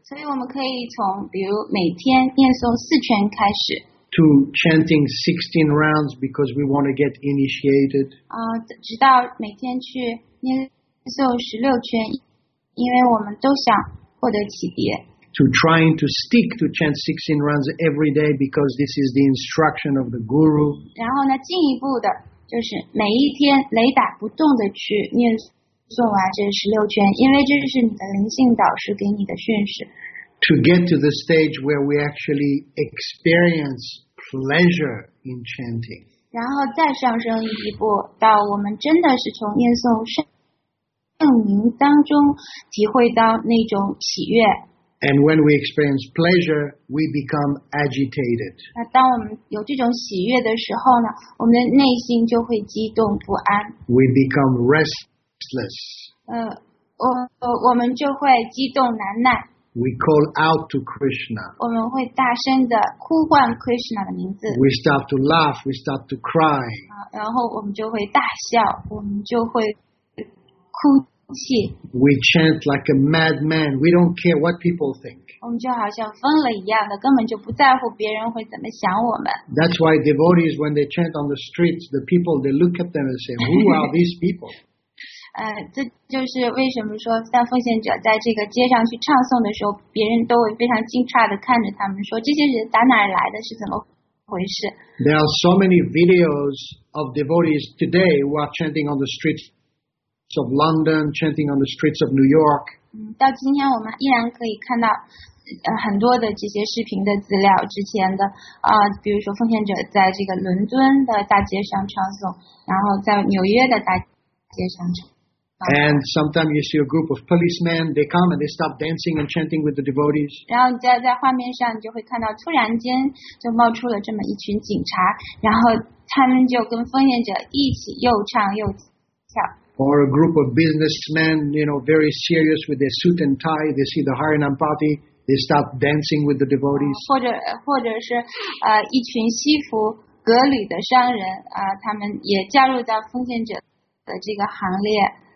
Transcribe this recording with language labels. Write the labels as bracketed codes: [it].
[zh] 所以我们可以从比如每天念诵四圈开始。 [en] To chanting 16 rounds because we want to get initiated. [zh] 直到每天去念诵16圈，因为我们都想获得启迪。 [en] To trying to stick to chant 16 rounds every day because this is the instruction of the guru. [zh] 然后呢，进一步的就是每一天雷打不动的去念诵。诵完这16圈，因为这是你的灵性导师给你的训示。 [en] To get to the stage where we actually experience pleasure in chanting. [zh] 然后再上升一步，到我们真的是从念诵圣名当中体会到那种喜悦。 [en] And when we experience pleasure, we become agitated. [zh] 那当我们有这种喜悦的时候呢，我们的内心就会激动不安。 [en] We become restless. [zh] 我们就会激动难耐。 [en] We call out to Krishna. [zh] 我们会大声地呼唤 Krishna 的名字。 [en] We start to laugh, we start to cry. [zh] 然后我们就会大笑，我们就会哭泣。 [en] We chant like a madman, we don't care what people think. [zh] 我们就好像疯了一样的，根本就不在乎别人会怎么想我们。 [en] That's why devotees, when they chant on the streets, the people, they look at them and say, who are these people? [zh] 这就是为什么说像奉献者在这个街上去唱诵的时候，别人都会非常惊诧地看着他们，说这些人打哪儿来的，是怎么回事。 [en] There are so many videos of devotees today who are chanting on the streets of London, chanting on the streets of New York. [zh] 到今天我们依然可以看到很多的这些视频的资料，之前的比如说奉献者在这个伦敦的大街上唱诵，然后在纽约的大街上唱。 [en] And sometimes you see a group of policemen, they come and they stop dancing and chanting with the devotees. [zh] 然后在画面上你就会看到突然间就冒出了这么一群警察，然后他们就跟奉献者一起又唱又跳。 [en] Or a group of businessmen, you know, very serious with their suit and tie, they see the Harinam party, they stop dancing with the devotees. [zh] 或者是一群西服革履的商人他们也加入到奉献者的这个行列。